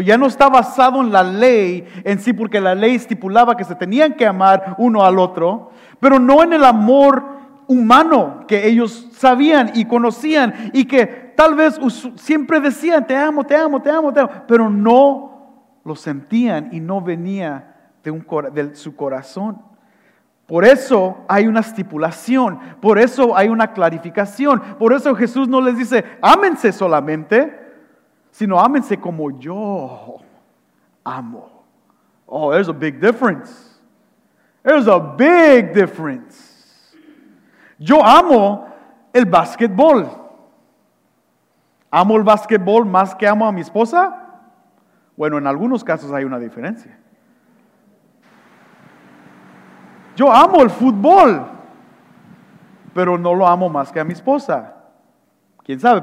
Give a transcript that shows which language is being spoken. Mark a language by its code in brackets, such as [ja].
[es] Ya no está basado en la ley en sí, porque la ley estipulaba que se tenían que amar uno al otro, pero no en el amor humano que ellos sabían y conocían y que tal vez siempre decían te amo, te amo, te amo, te amo, pero no lo sentían y no venía de su corazón. Por eso hay una estipulación, por eso hay una clarificación, por eso Jesús no les dice, ámense solamente, sino ámense como yo amo. [en] Oh, there's a big difference. There's a big difference. [es] Yo amo el básquetbol. ¿Amo el básquetbol más que amo a mi esposa? Bueno, en algunos casos hay una diferencia. Yo amo el fútbol, pero no lo amo más que a mi esposa. ¿Quién sabe?